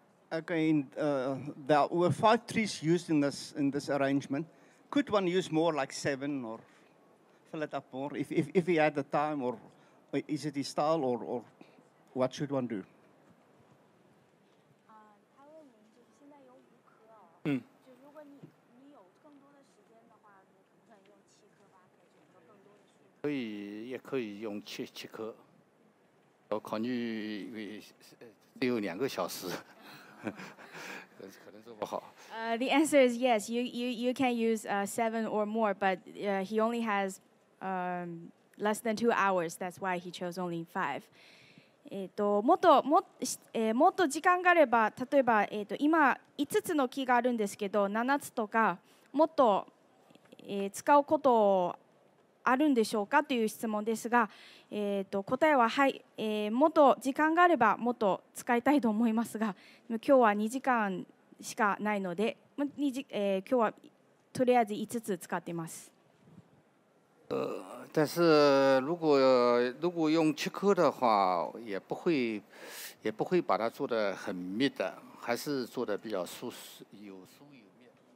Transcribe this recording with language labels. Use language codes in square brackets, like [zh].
[en] Again, there were 5 trees used in this arrangement. Could one use more, like 7, or fill it up more if he had the time, or is it his style, or what should one do? [zh] 他问您，就是现在有五棵哦。嗯。就如果你有更多的时间的话，你可以用7棵吧，可以选择更多的树。可以，也可以用七棵。我考虑，因为只有2个小时。 [en] The answer is yes. You can use 7 or more, but he only has less than 2 hours. That's why he chose only 5. [ja] もっと時間があれば、例えば、今5つの木があるんですけど、7つとかもっと、使うことあるんでしょうかという質問ですが、答えははい、もっと時間があればもっと使いたいと思いますが、今日は2時間しかないので、今日はとりあえず5つ使っています。 [zh] 但是如果用切割的话，也不会把它做得很密的，还是做得比较疏有疏有密。